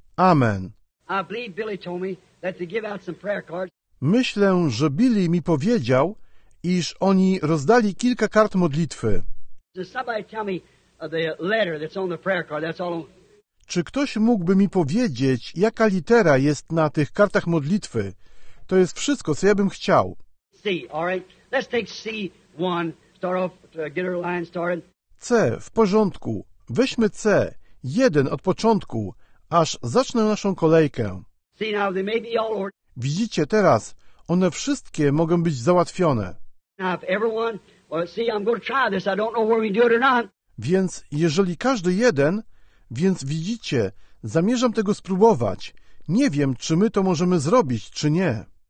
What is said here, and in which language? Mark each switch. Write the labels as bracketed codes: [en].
[en] Amen. I believe Billy told me that they give out some prayer cards. [pl] Myślę, że Billy mi powiedział, iż oni rozdali kilka kart modlitwy. [en] Somebody tell me the letter that's on the prayer card. That's all. [pl] Czy ktoś mógłby mi powiedzieć, jaka litera jest na tych kartach modlitwy? To jest wszystko, co ja bym chciał. [en] C, all right. Let's take C1, start off, get our line started. [pl] C, w porządku. Weźmy C, jeden od początku, aż zacznę naszą kolejkę. [en] C, now they may be all ordered. [pl] Widzicie teraz, one wszystkie mogą być załatwione. [en] Now, if everyone, well, see, I'm going to try this. I don't know where we do it or not. [pl] Więc jeżeli każdy jeden... Więc widzicie, zamierzam tego spróbować. Nie wiem, czy my to możemy zrobić, czy nie.